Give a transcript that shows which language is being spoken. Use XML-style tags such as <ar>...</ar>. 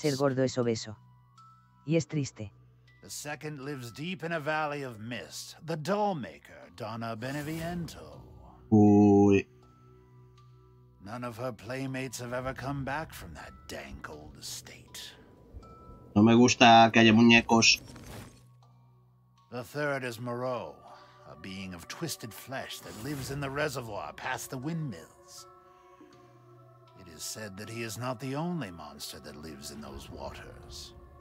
<es>ser gordo, es obeso. Y es triste.</es> <en>The second lives deep in a valley of mist, the dollmaker, Donna Beneviento. Uy. None of her playmates have ever come back from that dank old estate.</en> <es>No me gusta que haya muñecos.</es> <en>The third is Moreau, a being of twisted flesh that lives in the reservoir past the windmill. Is said that he is not the only monster that lives in those waters.</en>